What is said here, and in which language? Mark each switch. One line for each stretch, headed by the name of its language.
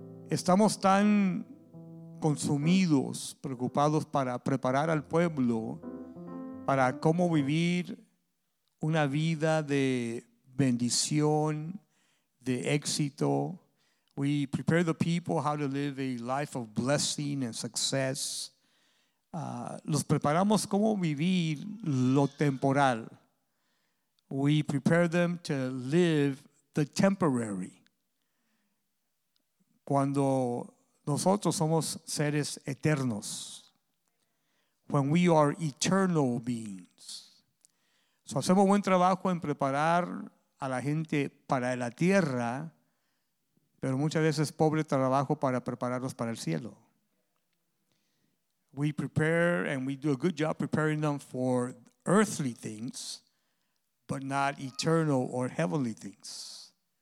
Spanish: Estamos tan consumidos, preocupados para preparar al pueblo para cómo vivir una vida de bendición, de éxito.
English: We prepare the people how to live a life of blessing and success.
Spanish: Los preparamos cómo vivir lo temporal.
English: We prepare them to live the temporary.
Spanish: Cuando nosotros somos seres eternos.
English: When we are eternal beings.
Spanish: So hacemos buen trabajo en preparar a la gente para la tierra, pero muchas veces pobre trabajo para prepararlos para el cielo.
English: We prepare and we do a good job preparing them for earthly things, but not eternal or heavenly things.